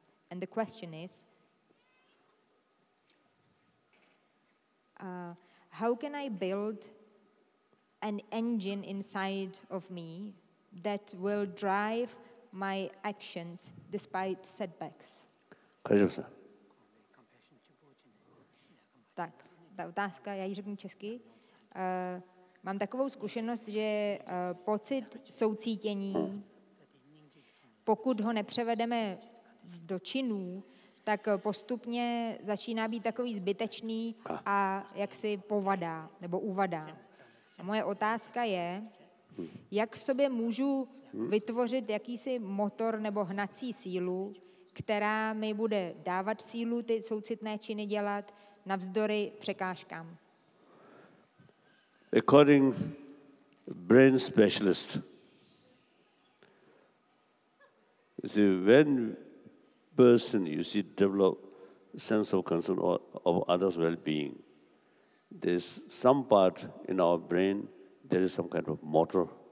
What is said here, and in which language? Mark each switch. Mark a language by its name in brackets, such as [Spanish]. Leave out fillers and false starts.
[English] And the question is, how can I build an engine inside of me that will drive my actions despite setbacks? Kajusa. [Czech] Tak, ta otázka, já ji řeknu česky. Mám takovou zkušenost, že pocit soucítění, pokud ho nepřevedeme do činů, tak postupně začíná být takový zbytečný a jaksi povadá nebo uvadá. A moje otázka je, jak v sobě můžu vytvořit jakýsi motor nebo hnací sílu, která mi bude dávat sílu ty soucitné činy dělat navzdory překážkám. [English] According brain specialist, when person you see develop sense of concern of others' well-being, there's some part in our brain, there is some kind of motor.